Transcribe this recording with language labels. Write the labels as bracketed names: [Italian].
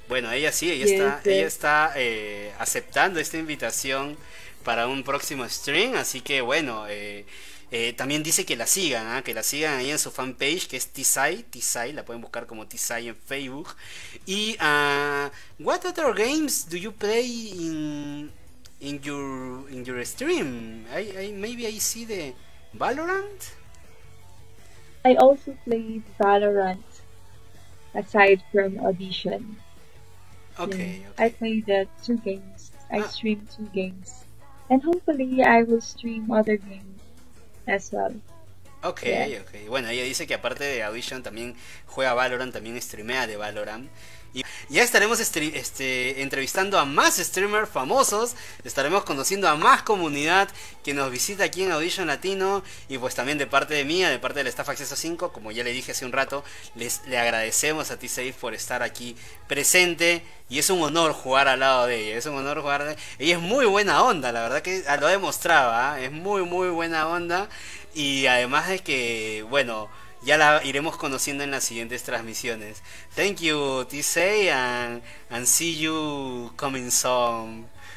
[Spanish] Bueno, ella sí, ella está aceptando esta invitación para un próximo stream, así que bueno, también dice que la sigan, que la sigan ahí en su fanpage, que es Tisay, la pueden buscar como Tisay en Facebook. [English] Y what other games do you play in your stream? I maybe I see the Valorant. I also played Valorant aside from Audition. Okay. I played two games. Streamed two games. And hopefully I will stream other games as well. Okay, yeah. Okay. [Spanish] Bueno, ella dice que aparte de Audition también juega Valorant, también streamea de Valorant. Y ya estaremos entrevistando a más streamers famosos, estaremos conociendo a más comunidad que nos visita aquí en Audition Latino. Y pues también de parte de mía, de parte del Staff Acceso 5, como ya le dije hace un rato, le agradecemos a Tisay por estar aquí presente. Y es un honor jugar al lado de ella, es un honor jugar. Ella es muy buena onda, la verdad que lo demostraba, es muy muy buena onda. Y además de que, bueno, ya la iremos conociendo en las siguientes transmisiones. [English] Thank you, Tisay, and see you coming soon.